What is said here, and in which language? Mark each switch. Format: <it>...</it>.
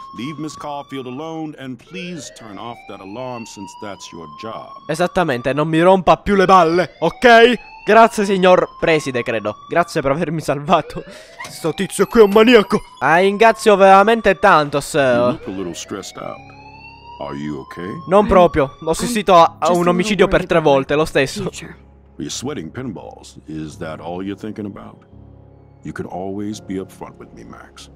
<en>Leave Miss Caulfield alone and please turn off that alarm since that's your job.</en> <it>Esattamente, non mi rompa più le balle, ok? Grazie, signor preside, credo. Grazie per avermi salvato. Sto tizio qui è un maniaco. Ringrazio veramente tanto, sir.</it> <en>You look a little stressed out. Are you okay?</en> <it>Non proprio. Ho assistito a un omicidio per tre volte, lo stesso.</it> <en>You're sweating pinballs. Is that all you're thinking about? You could always be up front with me, Max.</en>